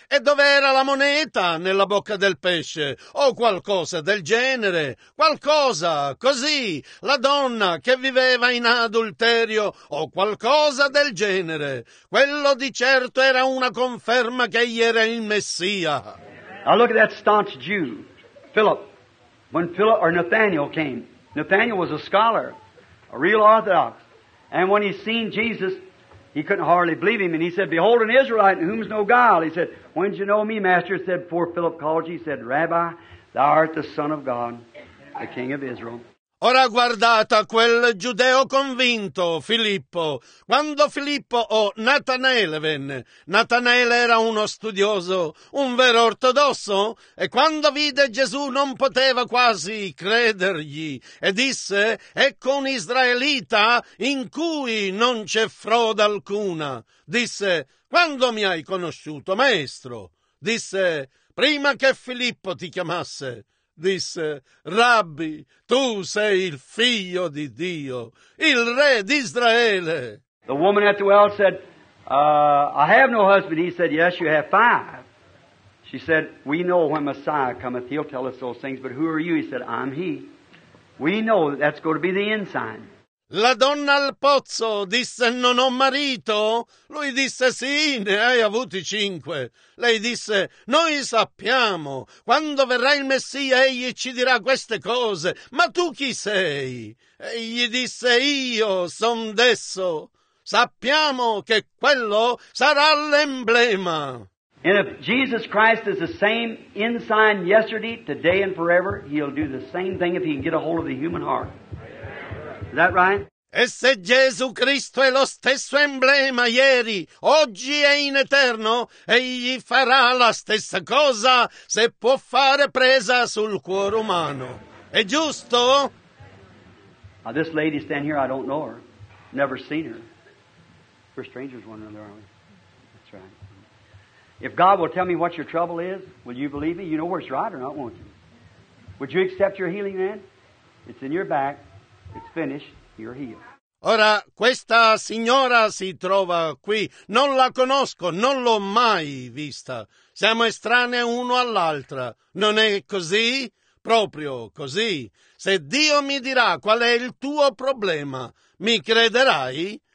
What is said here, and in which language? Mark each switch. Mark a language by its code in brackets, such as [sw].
[it] dove era la moneta nella bocca del pesce, o qualcosa del genere, qualcosa, così, la donna che viveva in adulterio, o qualcosa del genere, quello di certo era una conferma che gli era il Messia. [en] Now look at that staunch Jew, Philip. When Philip or Nathaniel came, Nathaniel was a scholar, a real Orthodox. And when he seen Jesus, he couldn't hardly believe him. And he said, "Behold, an Israelite in whom's no guile." He said, "When did you know me, Master?" He said, "Before Philip called you." He said, "Rabbi, thou art the Son of God, the King of Israel." [it] Ora guardate quel giudeo convinto, Filippo. Quando Filippo o Natanaele venne, Natanaele era uno studioso, un vero ortodosso, e quando vide Gesù non poteva quasi credergli e disse, ecco un israelita in cui non c'è frode alcuna. Disse, quando mi hai conosciuto, maestro? Disse, prima che Filippo ti chiamasse. disse, Rabbi, tu sei il figlio di Dio, il re di Israele. [en] The woman at the well said, I have no husband. He said, yes, you have five. She said, we know when Messiah cometh, he'll tell us those things, but who are you? He said, I'm he. We know that that's going to be the end sign. [it] La donna al pozzo disse, non ho marito? Lui disse, sì, ne hai avuti cinque. Lei disse, noi sappiamo, quando verrà il Messia, egli ci dirà queste cose. Ma tu chi sei? Egli disse, io son desso. Sappiamo che quello sarà l'emblema. [en] And if Jesus Christ is the same ensign yesterday, today and forever, he'll do the same thing if he can get a hold of the human heart. Is that right? [it] E se Gesù Cristo è lo stesso emblema ieri, oggi e in eterno, egli farà la stessa cosa se può fare presa sul cuore umano. È giusto? [en] Now this lady stand here, I don't know her. Never seen her. We're strangers one another, aren't we? That's right. If God will tell me what your trouble is, will you believe me? You know where it's right or not, won't you? Would you accept your healing then? It's in your back. It's finished. You're healed. [it] Ora, questa signora si trova qui. Non la conosco, non l'ho mai vista. Siamo estranei uno all'altra. Non è così? Proprio così. Se Dio mi dirà qual è il tuo problema, mi crederai?